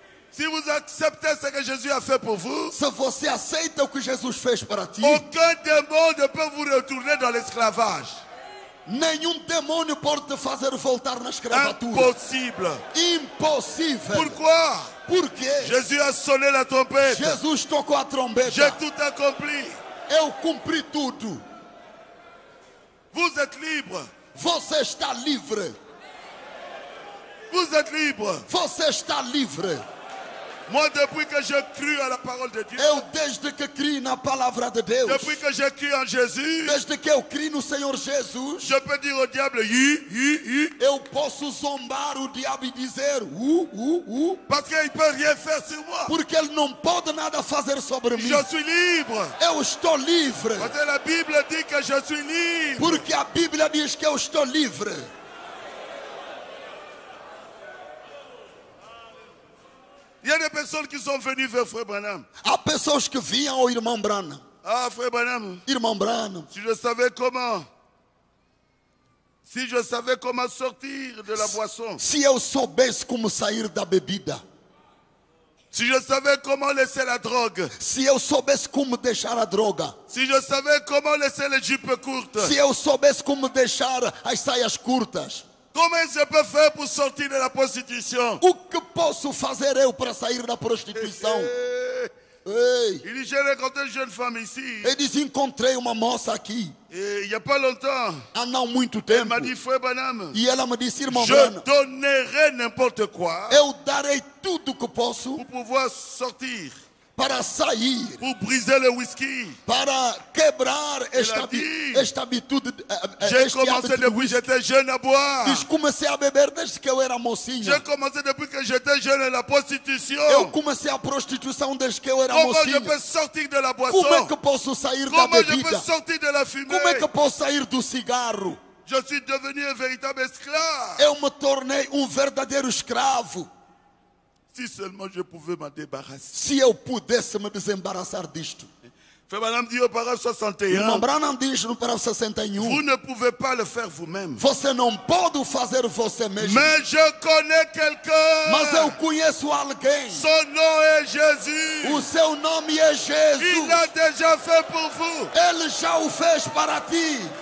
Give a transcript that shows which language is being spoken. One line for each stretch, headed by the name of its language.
French: Si vous acceptez ce que Jésus a fait pour vous,
Portuguese: se você aceita o que Jesus fez para ti,
French: aucun démon ne peut vous retourner dans l'esclavage.
Portuguese: Nenhum demônio pode te fazer voltar na escravatura.
French: Impossible.
Portuguese: Impossível.
French: Pourquoi?
Portuguese: Por quê?
French: Jésus a sonné la trompette.
Portuguese: Jesus tocou a trombeta.
French: J'ai tout accompli.
Portuguese: Eu cumpri tudo.
French: Vous êtes libre.
Portuguese: Você está livre.
French: Vous êtes libre.
Portuguese: Você está livre.
French: Moi, depuis que j'ai cru à la parole de Dieu.
Portuguese: Eu desde que crie na palavra de Deus.
French: Depuis que j'ai cru en Jésus.
Portuguese: Desde que eu crie no Senhor Jesus.
French: Je peux dire au diable hi.
Portuguese: Eu posso zombar o diabo e dizer
French: Parce qu'il peut rien faire sur moi.
Portuguese: Porque ele não pode nada fazer sobre mim.
French: Je suis libre.
Portuguese: Eu estou livre.
French: Parce que la Bible dit que je suis libre.
Portuguese: Porque a Bíblia diz que eu estou livre.
French: Il y a des personnes qui sont venues vers Frère Branham.
Portuguese: Há pessoas que vinham ao irmão Branham.
French: Ah, Frère Branham.
Portuguese: Irmão Branham.
French: Si je savais comment. Si je savais comment sortir de la boisson.
Portuguese: Se eu soubesse como sair da bebida.
French: Si je savais comment laisser la drogue.
Portuguese: Se eu soubesse como deixar a droga.
French: Si je savais comment laisser les jupes courtes.
Portuguese: Se eu soubesse como deixar as saias curtas.
French: Comment je peux faire pour sortir de la prostitution?
Portuguese: O que posso fazer eu para sair da prostituição?
French: Il dit, j'ai rencontré une jeune femme ici.
Portuguese: Ele disse, encontrei uma moça aqui.
French: Il n'y a pas longtemps.
Portuguese: Há não muito tempo.
French: Elle m'a dit, Frère Branham.
Portuguese: E ela me disse, irmão
French: Branham. Je donnerai n'importe quoi.
Portuguese: Eu darei tudo que posso.
French: Pour pouvoir sortir.
Portuguese: Para sair.
French: Pour briser le whisky.
Portuguese: Para quebrar esta habitude.
French: J'ai commencé depuis que j'étais jeune à boire.
Portuguese: Diz, comecei a beber desde que eu era mocinha.
French: J'ai commencé depuis que j'étais jeune à la prostitution.
Portuguese: Eu comecei a prostituição desde que eu era
French: Comment
Portuguese: mocinha.
French: Je peux sortir de la boisson?
Portuguese: Como é que posso sair
French: Comment
Portuguese: da bebida?
French: Je peux sortir de la fumée?
Portuguese: Como é que posso sair do cigarro?
French: Je suis devenu un véritable esclave.
Portuguese: Eu me tornei verdadeiro escravo.
French: Si seulement je pouvais me débarrasser.
Portuguese: Se eu pudesse me desembaraçar disto.
French: Fébanam dit au paragraphe 61.
Portuguese: Mambranam diz no paragraphe 61.
French: Vous ne pouvez pas le faire vous-même.
Portuguese: Você não pode fazer você mesmo.
French: Mais je connais quelqu'un.
Portuguese: Mas eu conheço alguém.
French: Son nom est Jésus.
Portuguese: O seu nome é Jesus.
French: Il l'a déjà fait pour vous.
Portuguese: Ele já o fez para ti.